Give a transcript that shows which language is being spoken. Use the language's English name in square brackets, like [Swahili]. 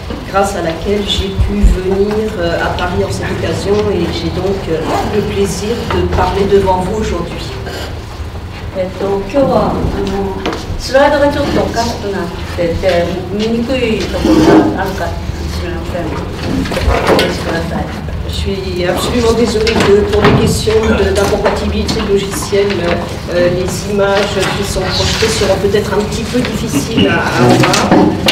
[French] grâce à laquelle j'ai pu venir à Paris en cette occasion et j'ai donc le plaisir de parler devant vous aujourd'hui. [Japanese] 今日はスライドがちょっとおかしくなってて見にくいところがあるかもしれませんお許しください。 [French] Je suis absolument désolé que pour les questions d'incompatibilité logicielle, les images qui sont projetées seront peut-être un petit peu difficiles à voir.